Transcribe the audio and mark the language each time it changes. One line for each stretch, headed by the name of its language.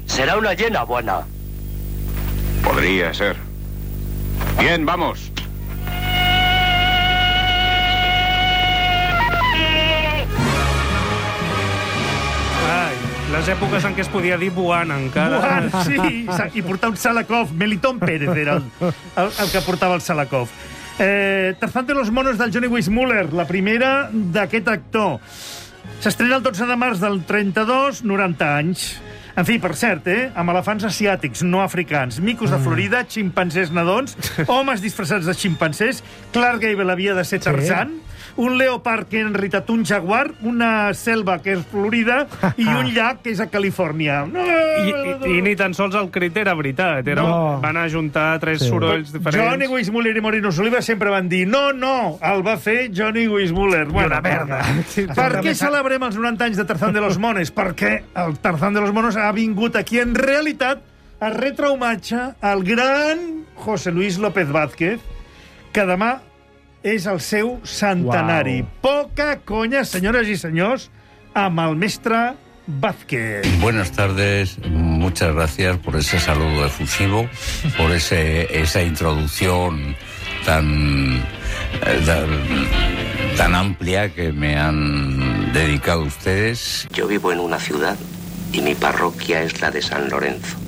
Spanish: Será una llena buena. Podría ser. Bien, vamos.
Catalan: Les èpoques en què es podia dir Buana, encara. Buana, sí, i portar un Salakov. Melitón Pérez era el que portava el Salakov. Tarzán de los monos, del Johnny Weissmuller, la primera d'aquest actor. S'estrena el 12 de març del 32, 90 anys. En fi, per cert, amb elefants asiàtics, no africans, micos de Florida, ximpanzés nadons, homes disfressats de ximpanzés, Clark Gable havia de ser Tarzán, sí. Un leopard que en realitat un jaguar, una selva que és Florida i un llac que és a Califòrnia. I ni tan sols el crit era veritat. Era no. Van ajuntar tres sorolls diferents. Johnny Weissmuller i Moreno Soliva sempre van dir no, el va fer Johnny Weissmuller. Bueno, una merda. Per què celebrem els 90 anys de Tarzán de los Mones? Perquè el Tarzán de los Mones ha vingut aquí en realitat a retre homenatge al gran José Luis López Vázquez, que demà és el seu centenari. Wow. Poca conya, senyores i senyors, amb el mestre Vázquez.
Spanish: Buenas tardes, muchas gracias por ese saludo efusivo, por esa introducción tan amplia que me han dedicado ustedes. Yo vivo en una ciudad y mi parroquia es la de San Lorenzo.